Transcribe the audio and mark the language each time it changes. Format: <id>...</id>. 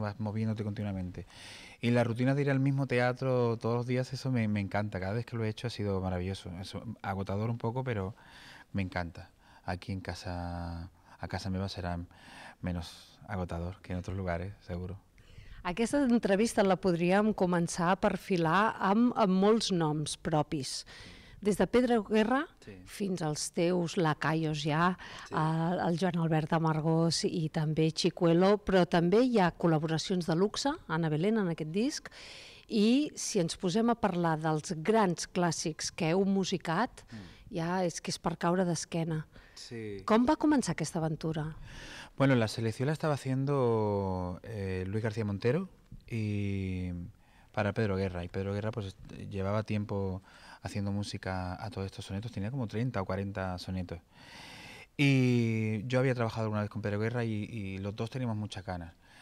<es>Vas moviéndote continuamente. Y la rutina de ir al mismo teatro todos los días, eso me encanta. Cada vez que lo he hecho ha sido maravilloso. Es agotador un poco, pero me encanta. Aquí en casa,</es> <ca>a casa meva</ca> <es>será menos agotador que en otros lugares, seguro.</es> <ca>Aquesta entrevista la podríem començar a perfilar amb molts noms propis. Des de Pedro Guerra, sí, fins als teus lacaios ja, sí, el Joan Albert Amargós i també Chicuelo, però també hi ha col·laboracions de luxe, Ana Belén, en aquest disc, i si ens posem a parlar dels grans clàssics que heu musicat, ja és que és per caure d'esquena. Sí.</ca> <es>¿Cómo va a comenzar esta aventura? Bueno, la selección la estaba haciendo Luis García Montero y para Pedro Guerra. Y Pedro Guerra pues llevaba tiempo haciendo música a todos estos sonetos, tenía como 30 o 40 sonetos. Y yo había trabajado alguna vez con Pedro Guerra y los dos teníamos muchas ganas.</es>